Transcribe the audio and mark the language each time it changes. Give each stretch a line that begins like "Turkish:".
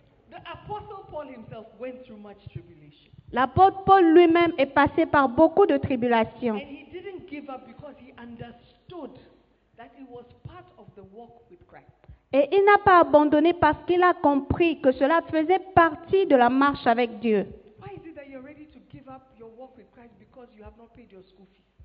English: The apostle Paul himself went through much tribulation.
French: L'apôtre Paul lui-même est passé par beaucoup de tribulations.
English: And he didn't give up because he understood that it was part of the walk with Christ.
French: Et il n'a pas abandonné parce qu'il a compris que cela faisait partie de la marche avec Dieu.
English: Why is it that you're ready to give up your walk with Christ because you have not paid your school fees?